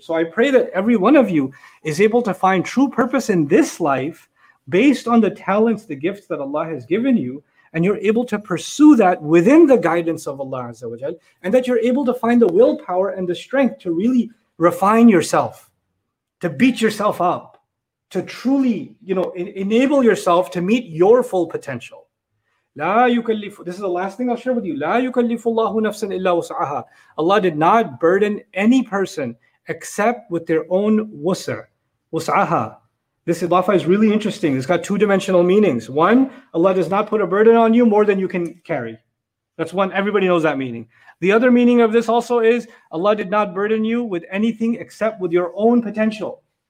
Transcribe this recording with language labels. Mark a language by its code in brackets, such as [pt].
[en] So I pray that every one of you is able to find true purpose in this life based on the talents, the gifts that Allah has given you, and you're able to pursue that within the guidance of Allah Azza wa Jal, and that you're able to find the willpower and the strength to really refine yourself, to beat yourself up, to truly, enable yourself to meet your full potential. This is the last thing I'll share with you. [ar] لا يكلف الله نفسا إلا وسعها. [en] Allah did not burden any person except with their own wusr. [ar] وسعها. [en] This idafa is really interesting. It's got two dimensional meanings. One, Allah does not put a burden on you more than you can carry. That's one, everybody knows that meaning. The other meaning of this also is Allah did not burden you with anything except with your own potential.